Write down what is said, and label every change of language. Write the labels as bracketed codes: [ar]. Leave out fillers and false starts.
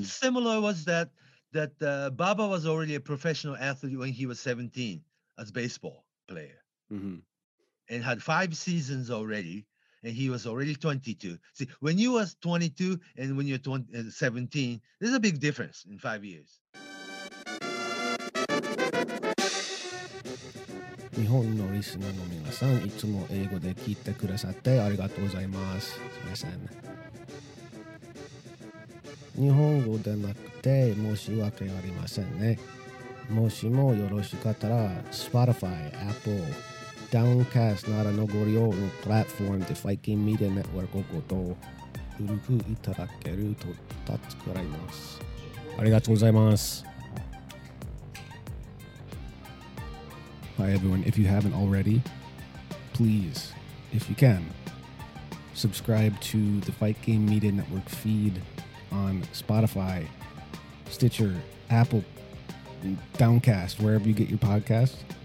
[en] what's similar was that Bubba was already a professional athlete when he was 17 as a baseball player, mm-hmm. and had five seasons already, and he was already 22. See, when you was 22 and when you're 17, there's a big difference in 5 years. [ja] 日本のリスナーの皆さん、いつも英語で聞いてくださってありがとうございます。すみません。日本語でなくて申し訳ありませんね。もしもよろしかったら、Spotify、Apple、Downcast ならのご利用のプラットフォームで Viking Media Network をご登録いただけると助かります。ありがとうございます。 [en] Hi everyone, if you haven't already, please, if you can, subscribe to the Fight Game Media Network feed on Spotify, Stitcher, Apple, Downcast, wherever you get your podcasts.